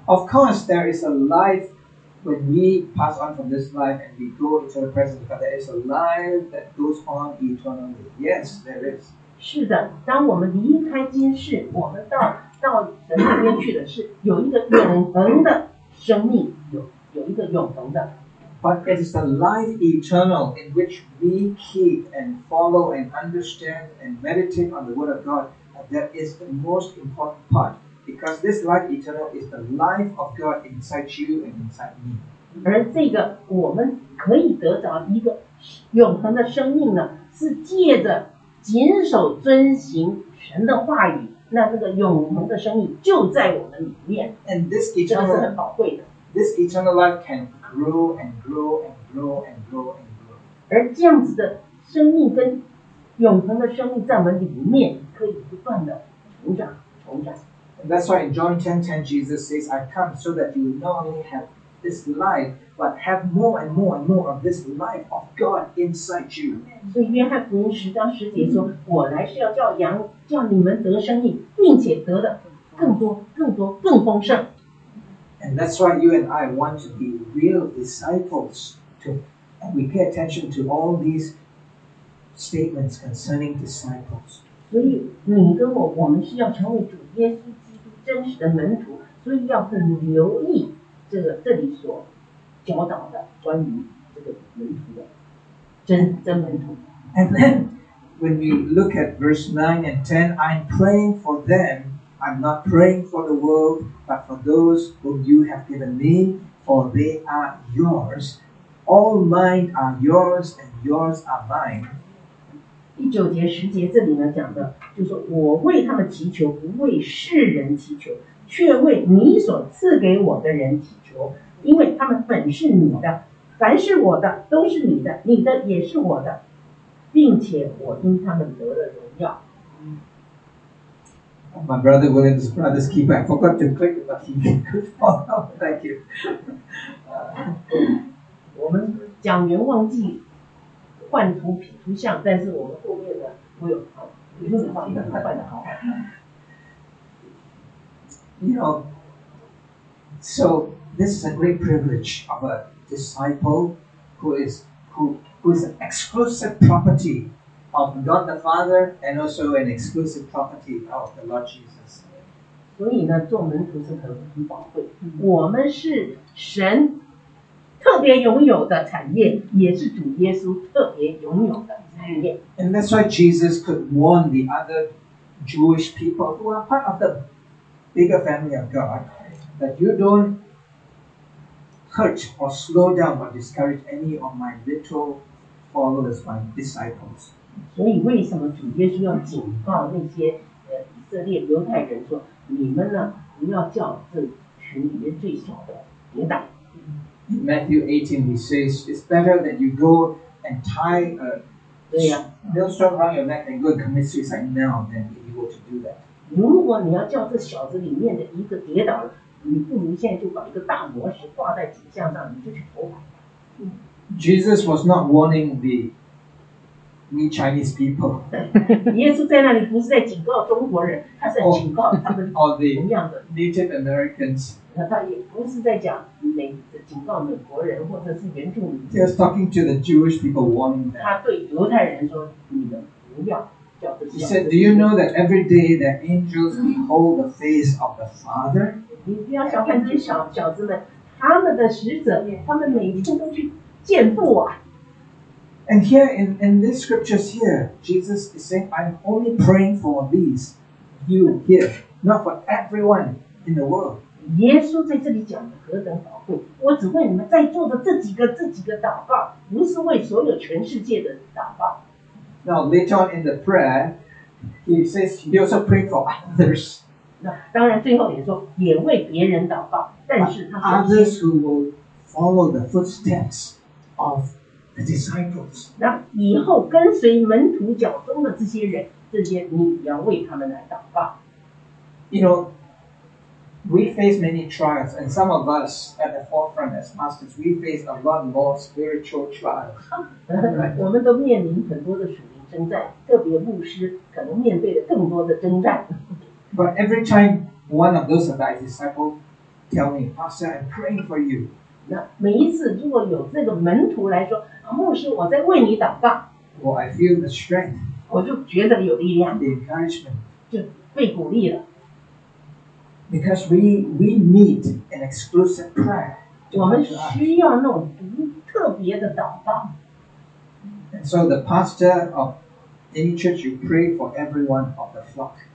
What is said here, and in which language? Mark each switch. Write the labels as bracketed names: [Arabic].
[English] Of course, there is a life when we pass on from this life and we go into the present, but there is a life that goes on eternally. Yes, there is. [Chinese] 是的，当我们离开今世，我们到神那边去的是有一个永恒的生命，有一个永恒的。 [English] But it is the life eternal in which we keep and follow and understand and meditate on the Word of God that is the most important part. Because this life eternal is the life of God inside you and inside me. [Chinese] 而这个我们可以得着一个永恒的生命呢，是借着谨守遵行神的话语，那这个永恒的生命就在我们里面。 [English] And this eternal, [Chinese] 这是很宝贵的。 [English] This eternal life can grow and grow and grow and grow and grow. [Chinese] 而这样子的生命跟永恒的生命在我们里面可以不断的成长成长。 [English] And that's why in John 10:10, Jesus says, I come so that you not only have this life, but have more and more and more of this life of God inside you. [Chinese] 所以约翰福音十章十节说，我来是要叫羊，叫你们得生命，并且得的更多更多更丰盛。 [English] And that's why you and I want to be real disciples to, and we pay attention to all these statements concerning disciples. [Chinese] 所以你跟我，我们是要成为主耶稣基督真实的门徒，所以要很留意这个这里所教导的关于这个门徒的真门徒。 [English] And then when we look at verse 9 and 10, I'm praying for them. I'm not praying for the world, but for those whom you have given me, for they are yours. All mine are yours, and yours are mine. [Chinese] 第九节、十节这里呢讲的，就是我为他们祈求，不为世人祈求，却为你所赐给我的人祈求，因为他们本是你的，凡是我的都是你的，你的也是我的，并且我因他们得了荣耀。 [English] My brother William's brother's keeper, I forgot to click, but he could follow. Thank you. [Chinese] 我们讲员忘记换图皮图像，但是我们后面的我有好，你说你画的太快了，好。 [English] You know, so this is a great privilege of a disciple who is an exclusive property. Of God the Father, and also an exclusive property of the Lord Jesus. [Chinese] 所以呢，做门徒是很宝贵。我们是神特别拥有的产业，也是主耶稣特别拥有的产业。 [English] And that's why Jesus could warn the other Jewish people who are part of the bigger family of God that you don't hurt or slow down or discourage any of my little followers, my disciples. [Chinese] 所以为什么主耶稣要警告那些以色列犹太人说，你们呢不要叫这群里面最小的跌倒。 [English] In Matthew 18, he says, it's better that you go and tie a millstone around your neck and go and commit suicide now than be able to do that. [Chinese] 如果你要叫这小子里面的一个跌倒了，你不如现在就把一个大磨石挂在颈项上，你就去投海。 [English] Jesus was not warning the me Chinese people. [Chinese] 耶稣在那里不是在警告中国人，他是在警告他们同样的 [English] Native Americans. [Chinese] 他也不是在讲警告美国人或者是原住民。 [English] He was talking to the Jewish people, warning them. [Chinese] 他对犹太人说，你们不要叫这些。 [English] He said, "Do you know that every day the angels behold the face of the Father?" [Chinese] 你不要小看这些小子们，他们的使者，他们每天都去见父啊。 [English] And here in these scriptures here, Jesus is saying, I'm only praying for these, you here, not for everyone in the world. [Chinese] 耶稣在这里讲的何等宝贵，我只为你们在座的这几个祷告，不是为所有全世界的祷告。 [English] Now later on in the prayer, he says, he also prayed for others. [Chinese] 那当然最后也说，也为别人祷告，但是他说 [English] others who will follow the footsteps of The disciples. [Chinese] 那以后跟随门徒脚中的这些人，这些你要为他们来祷告。 [English] You know, we face many trials, and some of us at the forefront as pastors, we face a lot more spiritual trials. [Chinese] 我们都面临很多的属灵征战，特别牧师可能面对的更多的征战。 [English] But every time one of those of my disciples tell me, Pastor, I'm praying for you. [Chinese] 那每一次如果有这个门徒来说。牧师，我在为你祷告。 [English] Well, I feel the strength. [Chinese] 我就觉得有力量。 [English] The encouragement. [Chinese] 就被鼓励了。 [English] Because we need an exclusive prayer. [Chinese] 我们需要那种独特别的祷告。 [English] And so the pastor of any church, you pray for everyone of the flock.